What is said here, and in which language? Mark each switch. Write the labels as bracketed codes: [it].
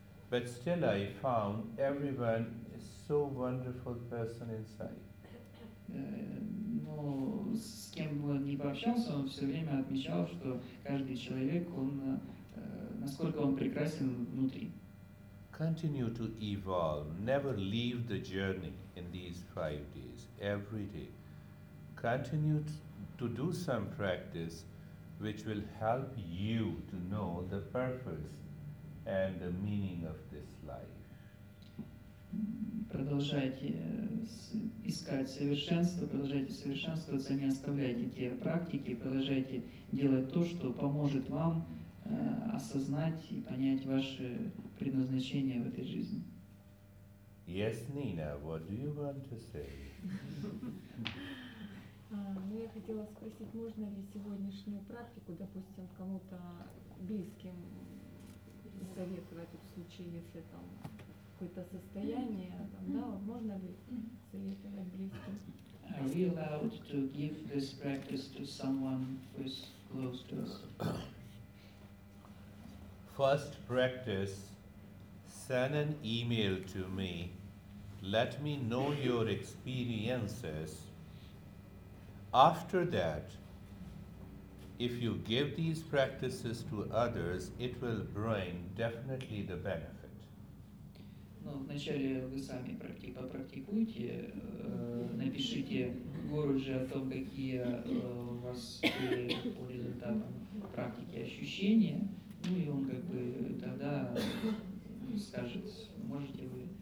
[en] But still I found everyone is so wonderful person inside. [ru] Но с кем бы не пообщался, он все время отмечал, что каждый человек, он насколько он прекрасен внутри. [en] Continue to evolve. Never leave the journey in these 5 days. Every day. Continue to do some practice which will help you to know the purpose and the meaning of this life. [ru] Продолжайте искать совершенство, продолжайте совершенствоваться, не оставляйте те практики, продолжайте делать то, что поможет вам осознать и понять ваше предназначение в этой жизни. [en] Yes, Nina, what do you want to say? [ru] Ну, я хотела спросить, можно ли сегодняшнюю практику, допустим, кому-то близким советовать в случае, если там какое-то состояние, да, вот можно ли советовать близким? [en] Are we allowed to give this practice to someone who is close to us? First practice, send an email to me, let me know your experiences. After that, if you give these practices to others, it will bring definitely the benefit. [ru] Ну, вначале вы сами попрактикуйте, напишите Гуруджи о том, какие у вас по результатам практики ощущения, ну и он как бы тогда скажет, можете вы.